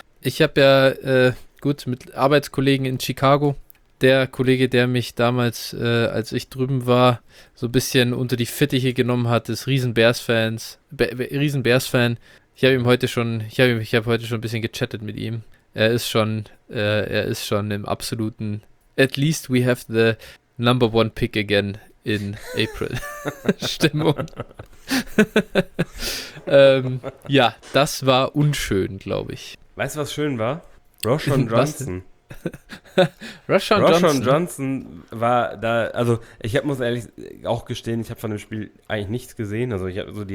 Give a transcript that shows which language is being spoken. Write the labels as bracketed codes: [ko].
[de] Ich habe ja gut mit Arbeitskollegen in Chicago, der Kollege, der mich damals, als ich drüben war, so ein bisschen unter die Fittiche genommen hat, ist Riesen-Bears-Fan. Ich habe heute schon ein bisschen gechattet mit ihm. Er ist schon im absoluten. [en] At least we have the number one pick again in April. [de] Stimmung. ja, das war unschön, glaube ich. Weißt du, was schön war? Was denn? Rashawn Roschon Johnson war da, also ich muss ehrlich auch gestehen, ich habe von dem Spiel eigentlich nichts gesehen. Also ich habe so die